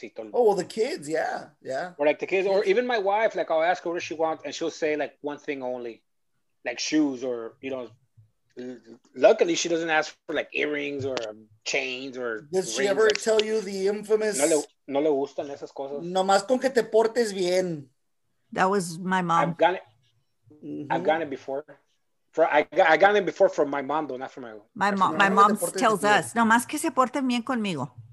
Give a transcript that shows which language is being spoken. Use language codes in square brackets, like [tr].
[en] The kids, yeah. Or, like, the kids, or even my wife, like, I'll ask her what she wants, and she'll say, like, one thing only, like, shoes or, you know. Luckily, she doesn't ask for, like, earrings or chains or Does rings. She ever tell you the infamous... [es] No le gustan esas cosas. Nomás con que te portes bien. [en] That was my mom. I've gotten it, I've gotten it before. I got it before from my mom, though, not from my mom. My mom tells us, [es] no más que se porten bien conmigo.